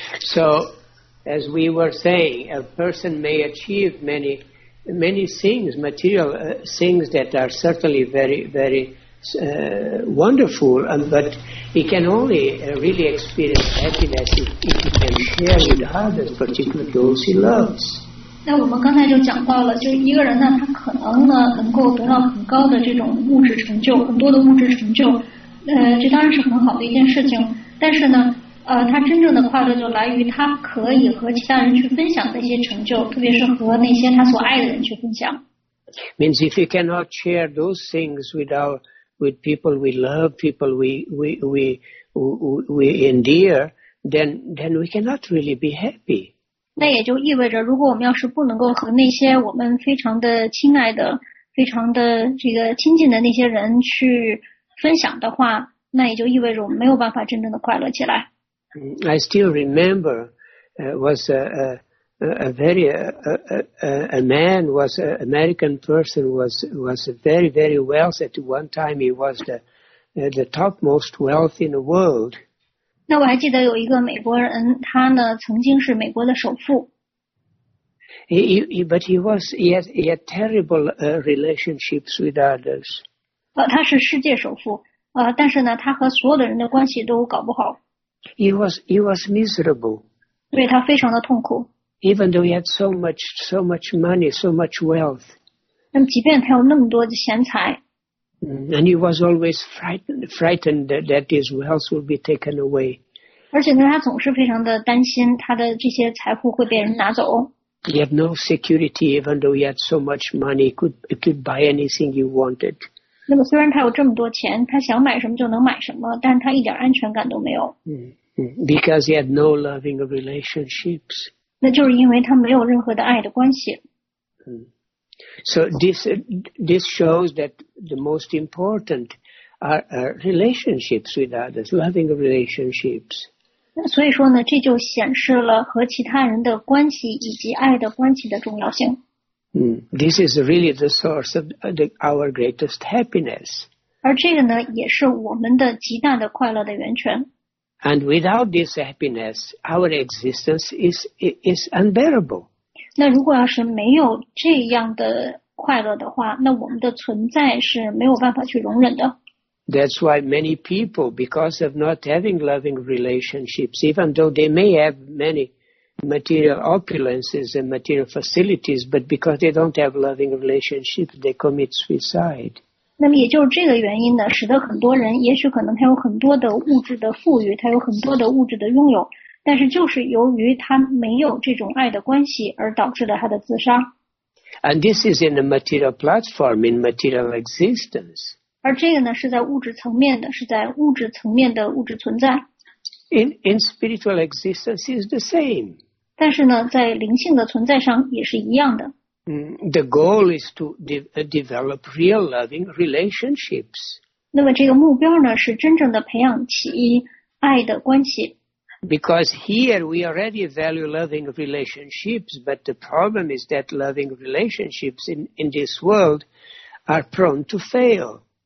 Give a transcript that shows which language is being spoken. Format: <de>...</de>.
<en>So, as we were saying, a person may achieve many, many things, material things that are certainly very, very wonderful, but he can only really experience happiness if he can share with others, particularly those he loves.</en> <zh>那我们刚才就讲到了，就一个人呢，他可能呢能够得到很高的这种物质成就，很多的物质成就，这当然是很好的一件事情。但是呢，他真正的快乐就来于他可以和其他人去分享那些成就，特别是和那些他所爱的人去分享。</zh> <en>Means if he cannot share those things with people we love, people we endear, then we cannot really be happy.</en> <zh>那也就意味着，如果我们要是不能够和那些我们非常的亲爱的、非常的这个亲近的那些人去分享的话，那也就意味着我们没有办法真正的快乐起来。</zh> <en>I still remember, was a very a man was an American person was very very wealthy at one time. He was the topmost wealth in the world.</en> <zh>那我还记得有一个美国人，他呢曾经是美国的首富。</zh> <en>He had terrible relationships with others.</en> <zh>他是世界首富，但是呢他和所有的人的关系都搞不好。</zh> <en>He was miserable.</en> <zh>对，他非常的痛苦。</zh> <en>Even though he had so much money, so much wealth.</en> <zh>那么即便他有那么多的钱财。</zh> <en>And he was always frightened that his wealth will be taken away.</en> <zh>而且他总是非常的担心他的这些财富会被人拿走。</zh> <en>He had no security, even though he had so much money, could buy anything he wanted.</en> <zh>那么虽然他有这么多钱，他想买什么就能买什么，但他一点安全感都没有。</zh> <en>Because he had no loving relationships.</en> <zh>那就是因为他没有任何的爱的关系。</zh> <en>So this shows that the most important are relationships with others, loving relationships.</en> <zh>所以说呢，这就显示了和其他人的关系以及爱的关系的重要性。</zh> <en>This is really the source of our greatest happiness.</en> <zh>而这个呢，也是我们的极大的快乐的源泉。</zh> <en>And without this happiness, our existence is unbearable.</en> <zh>那如果要是没有这样的快乐的话，那我们的存在是没有办法去容忍的。</zh> <en>That's why many people, because of not having loving relationships, even though they may have many material opulences and material facilities, but because they don't have loving relationships, they commit suicide.</en> <zh>那么也就是这个原因呢，使得很多人也许可能他有很多的物质的富裕，他有很多的物质的拥有，但是就是由于他没有这种爱的关系而导致了他的自杀。</zh> <en>And this is in a material platform, in material existence.</en> <zh>而这个呢是在物质层面的，是在物质层面的物质存在。</zh> <en>In spiritual existence is the same.</en> <zh>但是呢在灵性的存在上也是一样的。</zh> <en>The goal is to develop real loving relationships.</en> <zh>那么这个目标呢是真正的培养起爱的关系。</zh> <en>Because here we already value loving relationships, but the problem is that loving relationships in this world are prone to fail.</en>